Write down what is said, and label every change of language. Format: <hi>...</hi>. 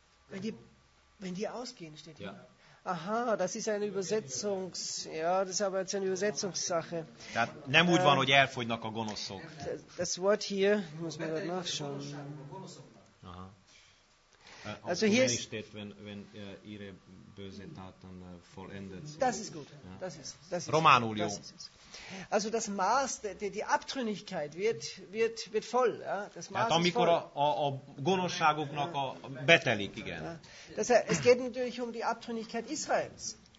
<de>Wenn die ausgehen, steht hier. Aha, das ist eine Übersetzungs... Ja, das ist aber jetzt eine Übersetzungssache.</de> <hu>Tehát nem úgy van, hogy elfogynak a gonoszok.</hu> <de>Das Wort hier, muss man das nachschauen. Aha. Also hier ist... Steht, wenn ihre böse Taten vollendet sind. Das ist gut. Ja. Das ist</de> <hu>Románul jó.</hu> <de>Also das Maß, die Abtrünnigkeit wird voll. Ja? Das Maß</de> <hu>tehát amikor a gonoszságoknak a betelik, igen.</hu> <de>Ja. Das heißt, es geht natürlich um die Abtrünnigkeit Israels.</de>